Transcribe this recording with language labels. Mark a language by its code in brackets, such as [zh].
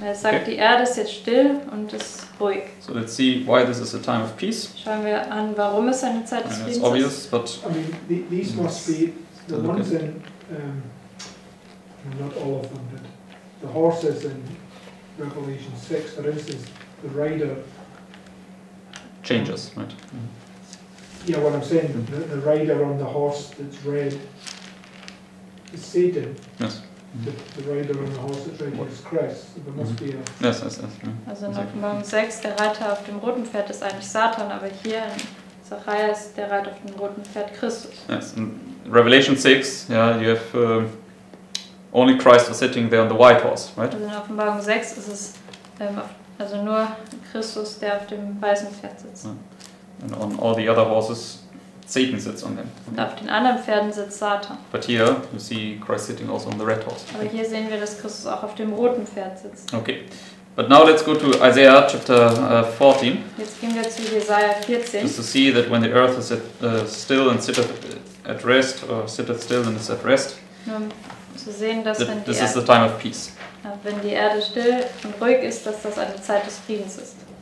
[de] Es sagt, okay. Die Erde ist jetzt still und ist ruhig. [en] So let's see why this is a time of peace. [de] Schauen wir an, warum es eine Zeit des Friedens ist. [en] It's obvious, but... I mean, these must be the ones in... Not all of them, but the horses in Revelation 6, for instance, the rider changes, right? Mm-hmm. Yeah, what I'm saying, the rider on the horse that's red is Satan. Yes. The rider on the horse that's red is Christ. So there must be a. Yes. Mm-hmm. [de] Also in Offenbarung 6, der Reiter auf dem roten Pferd ist eigentlich Satan, aber hier in Zechariah ist der Reiter auf dem roten Pferd Christus. [en] Yes, in Revelation 6, yeah, you have. Only Christ was sitting there on the white horse, right? [de] Also in Offenbarung 6 ist es also nur Christus, der auf dem weißen Pferd sitzt. [en] And on all the other horses, Satan sits on them. [de] Und auf den anderen Pferden sitzt Satan. [en] But here you see Christ sitting also on the red horse. [de] Aber hier sehen wir, dass Christus auch auf dem roten Pferd sitzt. [en] Okay. But now let's go to Isaiah chapter 14. [de] Jetzt gehen wir zu Jesaja 14. [en] Just to see that when the earth is at, still and sitteth at rest, or sitteth still and is at rest. [de] Zu sehen, dass wenn [en] this is the time of peace. [de] Wenn die Erde still und ruhig ist, dass das eine Zeit des Friedens ist.